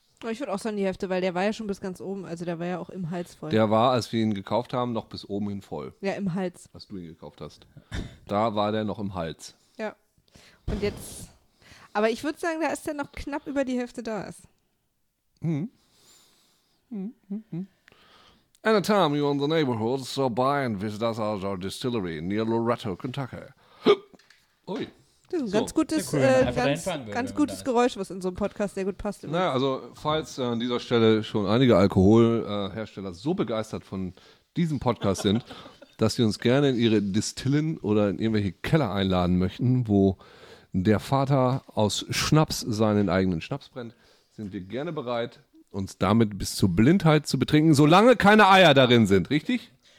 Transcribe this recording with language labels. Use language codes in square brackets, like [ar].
[de] Ich würde auch sagen die Hälfte, weil der war ja schon bis ganz oben, also der war ja auch im Hals voll. Der war, als wir ihn gekauft haben, noch bis oben hin voll. Ja, im Hals. Als du ihn gekauft hast. Da war der noch im Hals. Ja. Und jetzt, aber ich würde sagen, da ist der noch knapp über die Hälfte da ist. [en] Anytime you're in the neighborhood, so by and visit us at our distillery near Loretto, Kentucky. Ui. [de] Das ist ein so. ganz gutes Geräusch, was in so einem Podcast sehr gut passt. Naja, also falls an dieser Stelle schon einige Alkoholhersteller so begeistert von diesem Podcast sind, dass sie uns gerne in ihre Distillen oder in irgendwelche Keller einladen möchten, wo der Vater aus Schnaps seinen eigenen Schnaps brennt, sind wir gerne bereit, uns damit bis zur Blindheit zu betrinken, solange keine Eier darin sind, richtig?